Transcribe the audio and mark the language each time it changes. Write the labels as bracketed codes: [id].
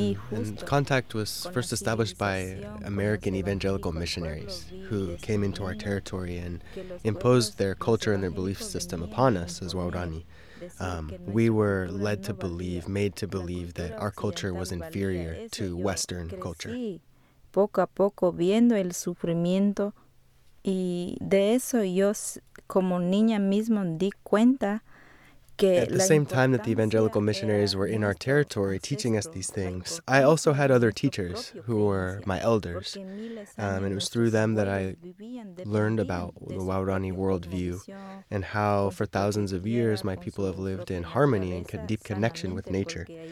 [en] And contact was first established by American evangelical missionaries who came into our territory and imposed their culture and their belief system upon us as Waurani. We were led to believe, made to believe that our culture was inferior to Western culture. [es] Poco a poco viendo el sufrimiento y de eso yo como niña misma di cuenta [en] At the same time that the evangelical missionaries were in our territory teaching us these things, I also had other teachers who were my elders. And it was through them that I learned about the Waurani worldview and how for thousands of years my people have lived in harmony and deep connection with nature.